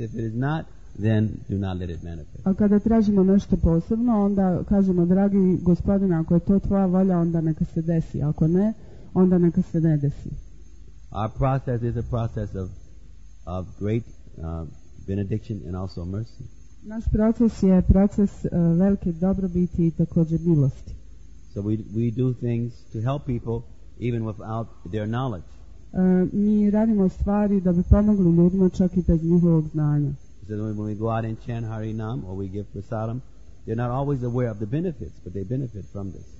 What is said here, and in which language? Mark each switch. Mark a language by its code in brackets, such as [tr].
[en] If it is not, then do not let it manifest. [hr] A kada tražimo nešto posebno, onda kažemo, dragi gospodine, ako je to tvoja volja, onda neka se desi. Ako ne, onda neka se ne desi. [en] Our process is a process of great benediction and also mercy. [hr] Naš proces je proces velike dobrobiti i također milosti. [en] So we do things to help people even without their knowledge. [hr] Mi radimo stvari da bi pomogli ljudima čak i bez njihovog znanja. [en] So when we go out and chant Harinam or we give prasadam, they're not always aware of the benefits, but they benefit from this.